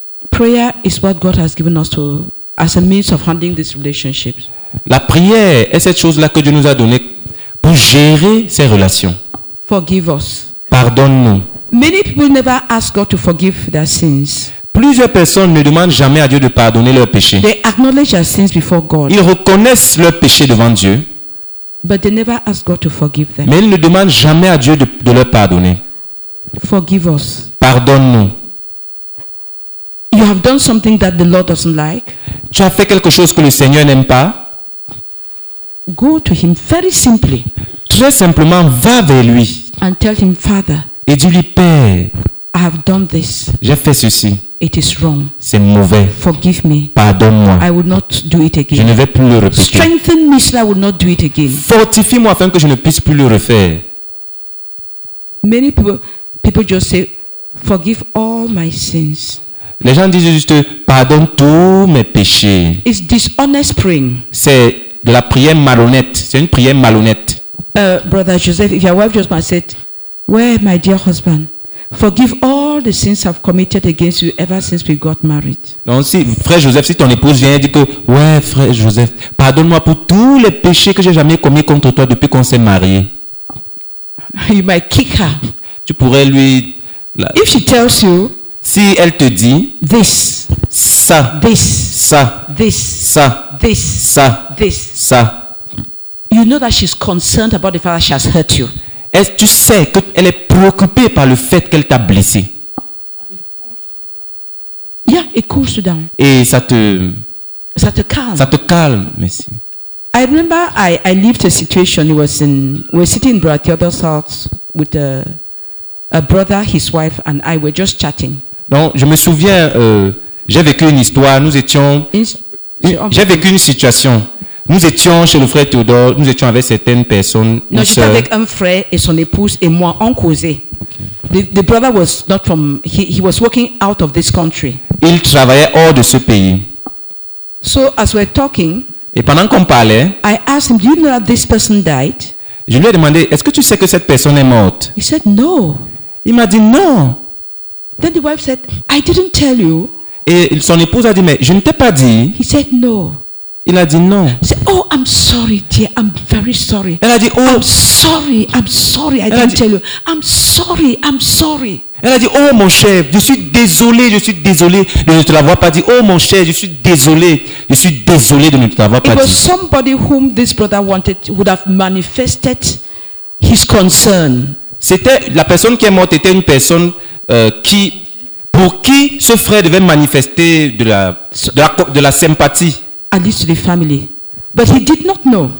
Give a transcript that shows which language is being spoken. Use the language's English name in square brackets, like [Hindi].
[English] Prayer is what God has given us to as a means of handling these relationships. [French] La prière est cette chose-là que Dieu nous a donnée pour gérer ces relations. [English] Forgive us. [French] Pardonne-nous. [English] Many people never ask God to forgive their sins. [French] Plusieurs personnes ne demandent jamais à Dieu de pardonner leurs péchés. [English] They acknowledge their sins before God. [French] Ils reconnaissent leurs péchés devant Dieu. [English] But they never ask God to forgive them. [French] Mais ils ne demandent jamais à Dieu de leur pardonner. [English] Forgive us. [French] Pardonne-nous. [English] You have done something that the Lord doesn't like. [French] Tu as fait quelque chose que le Seigneur n'aime pas. [English] Go to him very simply. [French] Très simplement, va vers lui. [English] And tell him, Father. [French] Et Dieu lui Père, [English] I have done this. [French] J'ai fait ceci. [English] It is wrong. [French] C'est mauvais. [English] Forgive me. [French] Pardonne-moi. [English] I will not do it again. [French] Je ne vais plus le répéter. [English] Strengthen me so I will not do it again. [French] Fortifie-moi afin que je ne puisse plus le refaire. [English] Many people just say, forgive all my sins. [French] Les gens disent juste, pardonne tous mes péchés. [English] It's dishonest praying. [French] C'est de la prière malhonnête. C'est une prière malhonnête. [English] Brother Joseph, if your wife just said, well, my dear husband, forgive all the sins I've committed against you ever since we got married. [French] Donc, si frère Joseph, si ton épouse vient et dit que, ouais, frère Joseph, pardonne-moi pour tous les péchés que j'ai jamais commis contre toi depuis qu'on s'est marié. [English] You might kick her. [French] Tu pourrais lui. [English] If she tells you. [French] Si elle te dit. [English] This. [French] Ça. [English] This. [French] Ça. [English] This. [French] Ça. [English] This. [French] Ça. [English] This. [French] Ça. [English] You know that she's concerned about the fact that she has hurt you. [French] Est-ce que tu sais qu'elle est préoccupée par le fait qu'elle t'a blessé? [English] Yeah, it cools down. [French] Et ça te. Ça te calme. Ça te calme, merci. [English] I remember I lived a situation. It was in we're sitting in Brother Theodore's house with a brother, his wife, and I were just chatting. [French] Donc, je me souviens, j'ai vécu une histoire. Nous étions. J'ai vécu une situation. Nous étions chez le frère Théodore, nous étions avec certaines personnes. Non, j'étais avec un frère et son épouse et moi, on causait. Okay. [English] The brother was not from, he was working out of this country. [French] Il travaillait hors de ce pays. [English] So, as we're talking, [French] et pendant qu'on parlait, [English] I asked him, do you know that this person died? [French] Je lui ai demandé, est-ce que tu sais que cette personne est morte? [English] He said, no. [French] Il m'a dit non. [English] Then the wife said, I didn't tell you. [French] Et son épouse a dit, mais je ne t'ai pas dit. [English] He said, no. [French] Il a dit non. [English] Say, oh, I'm sorry, dear. I'm very sorry. [French] Elle a dit oh. [English] I'm sorry. I didn't tell you. I'm sorry. I'm sorry. [French] Elle a dit oh mon cher, je suis désolé. Je suis désolé de ne te l'avoir pas dit. Oh mon cher, je suis désolé. Je suis désolé de ne te l'avoir pas [English] it [French] dit. [English] It was somebody whom this brother wanted would have manifested his concern. [French] C'était la personne qui est morte était une personne qui pour qui ce frère devait manifester de la sympathie. [English] At least to the family, but he did not know.